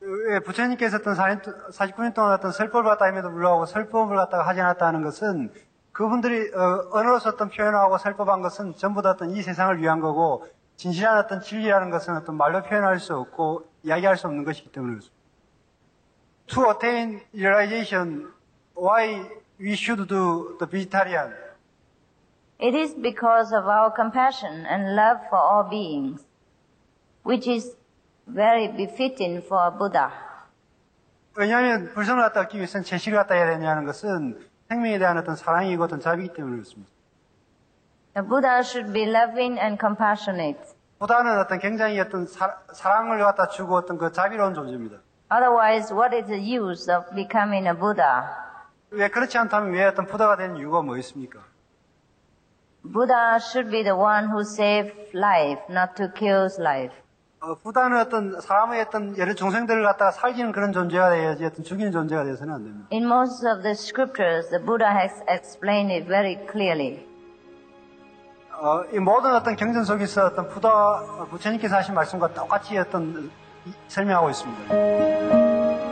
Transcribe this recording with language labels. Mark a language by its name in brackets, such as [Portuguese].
[Korean] 예, 부처님께서 어떤 49년 동안 어떤 설법을 갖다임에도 불구하고 설법을 갖다가 하지 않았다는 것은 그분들이 언어로서 어떤 표현하고 설법한 것은 전부 다 어떤 이 세상을 위한 거고 진실한 어떤 진리라는 것은 어떤 말로 표현할 수 없고 이야기할 수 없는 것이기 때문에 [English] To attain realization, why we should do the vegetarian? It is because of our compassion and love for all beings, which is very befitting for a Buddha. [Korean] 왜냐하면 불성을 갖다 얻기 위해서는 제시를 갖다 해야 되냐는 것은 생명에 대한 어떤 사랑이고 어떤 자비이기 때문에 그렇습니다. [English] The Buddha should be loving and compassionate. [Korean] 부다는 어떤 굉장히 어떤 사랑을 갖다 주고 어떤 그 자비로운 존재입니다. [English] Otherwise, what is the use of becoming a Buddha? [Korean] 왜 그렇지 않다면 왜 어떤 부다가 되는 이유가 뭐 있습니까? [English] Buddha should be the one who saves life, not to kill life. [Korean] 부다는 어떤 사람의 어떤 여러 종생들을 갖다가 살리는 그런 존재가 되어야지 어떤 죽이는 존재가 되어서는 안 됩니다. [English] In most of the scriptures, the Buddha has explained it very clearly. [Korean] 이 모든 어떤 경전 속에서 어떤 부다 부처님께서 하신 말씀과 똑같이 어떤 설명하고 있습니다.